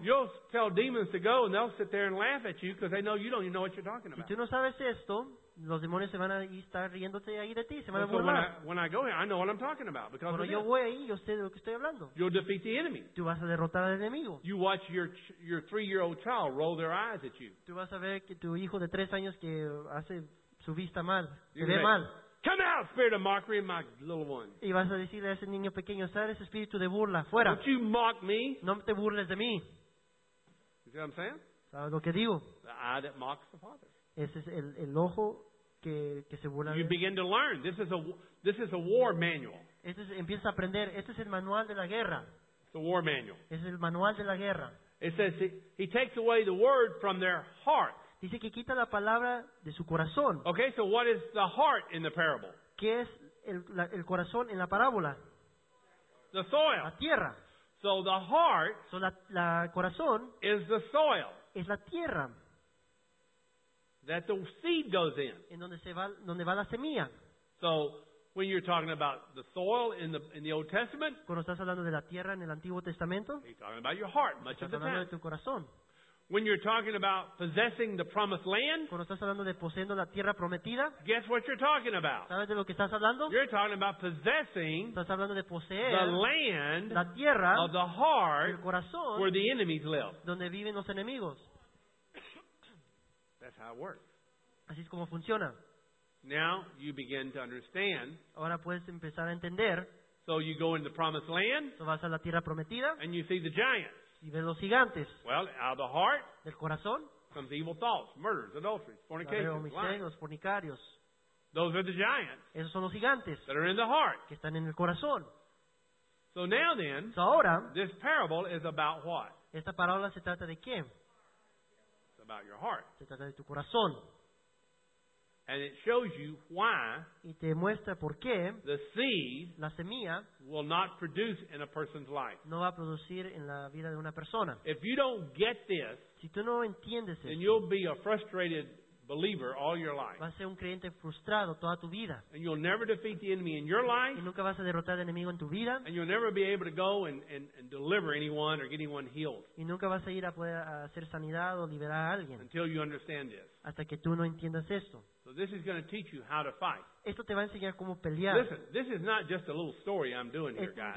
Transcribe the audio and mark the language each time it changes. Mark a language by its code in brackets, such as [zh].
[en] You'll tell demons to go and they'll sit there and laugh at you because they know you don't even know what you're talking about. [es] Si tú no sabes esto, los demonios se van a estar riéndote ahí de ti, se van a burlar. [en] When I go here, I know what I'm talking about because [es] cuando yo voy ahí, yo sé de lo que estoy hablando. [en] You'll defeat the enemy. [es] Tú vas a derrotar al enemigo. [en] You watch your 3-year-old child roll their eyes at you. [es] Tú vas a ver que tu hijo de 3 años que hace su vista mal, se ve mal. [en] Come out, spirit of mockery, my little one. [es] Y vas a decirle a ese niño pequeño, sal ese espíritu de burla, fuera. [en] Don't you mock me? [es] No te burles de mí. [en] You see what I'm saying? [es] ¿Sabes lo que digo? [en] The eye that mocks the father. [es] Ese es el ojo que se burla. [en] You begin to learn. This is a war manual. [es] Este es, empiezas a aprender. Este es el manual de la guerra. [en] It's a war manual. [es] Es el manual de la guerra. [en] It says he takes away the word from their heart. [es] Dice que quita la palabra de su corazón. [en] Okay, so what is the heart in the parable? [es] ¿Qué es el corazón en la parábola? [en] The soil. [es] La tierra. [en] So the heart. [es] So la corazón. [en] Is the soil. [es] Es la tierra. [en] That the seed goes in. [es] En donde va la semilla. [en] So when you're talking about the soil in the Old Testament. [es] Cuando estás hablando de la tierra en el Antiguo Testamento. [en] You're talking about your heart much of the time. [es] Estás hablando de tu corazón. [en] When you're talking about possessing the promised land, [es] cuando estás hablando de poseyendo la tierra prometida, [en] guess what you're talking about? [es] ¿Sabes de lo que estás hablando? [en] You're talking about possessing, [es] estás hablando de poseer [en] the land, [es] la tierra, [en] of the heart, [es] el corazón, [en] where the enemies live. [es] Donde viven los enemigos. [en] That's how it works. [es] Así es como funciona. [en] Now you begin to understand. [es] Ahora puedes empezar a entender. [en] So you go into the promised land, [es] so vas a la tierra prometida, [en] and you see the giants. [es] Y ves los gigantes. [en] Well, out of the heart, [es] del corazón, [en] comes evil thoughts, murders, adulteries, fornications, [es] fornicarios. [en] Those are the giants. [es] Esos son los gigantes. [en] That are in the heart. [es] Que están en el corazón. [en] So now then, [es] so ahora, [en] this parable is about what? [es] Esta parábola se trata de qué? [en] It's about your heart. [es] Se trata de tu corazón. [en] And it shows you why [es] y te muestra por qué [en] the seed [es] la semilla [en] will not produce in a person's life. [es] No va a producir en la vida de una persona. [en] If you don't get this, [es] si tú no entiendes [en] then [es] esto, [en] you'll be a frustrated believer all your life. [es] Vas a ser un creyente frustrado toda tu vida. [en] And you'll never defeat the enemy in your life. [es] Y nunca vas a derrotar al enemigo en tu vida. [en] And you'll never be able to go and deliver anyone or get anyone healed. [es] Y nunca vas a ir a poder hacer sanidad o liberar a alguien. [en] Until you understand this. [es] Hasta que tú no entiendas esto. [en] So this is going to teach you how to fight. [es] Esto te va a enseñar cómo pelear. [en] Listen, this is not just a little story I'm doing here, guys.